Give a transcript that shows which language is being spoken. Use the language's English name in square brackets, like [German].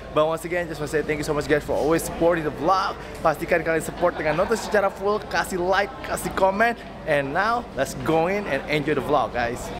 [English] But once again, just want to say thank you so much guys for always supporting the vlog. [Indonesian] Pastikan kalian support dengan nonton secara full, kasih like, kasih komen. [English] And now, let's go in and enjoy the vlog, guys.